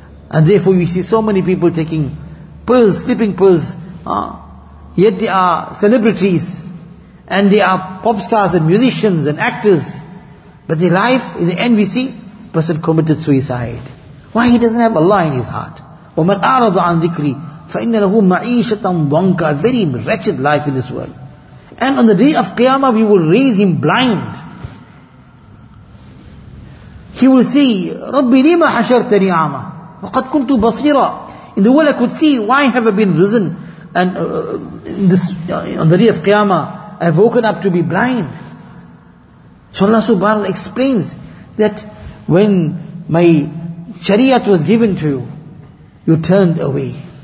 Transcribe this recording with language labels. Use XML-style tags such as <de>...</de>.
<en>And therefore we see so many people taking pills, sleeping pills. Yet they are celebrities, and they are pop stars and musicians and actors. But their life, in the end we see, person committed suicide. Why? He doesn't have Allah in his heart.</en> <ar>وَمَنْ أَعْرَضَ عَنْ ذِكْرِي فَإِنَّ لَهُ مَعِيشَةً ضَنْكَ.</ar> <en>A very wretched life in this world. And on the day of Qiyamah, we will raise him blind. He will say,</en> <ar>رَبِّ لِمَ حَشَرْتَنِي عَمَى وَقَدْ كُنْتُ بَصِيرًا.</ar> <en>In the world I could see, why have I been risen? And on the day of Qiyamah, I have woken up to be blind. So Allah subhanahu wa ta'ala explains that when my shariat was given to you, you turned away.</en>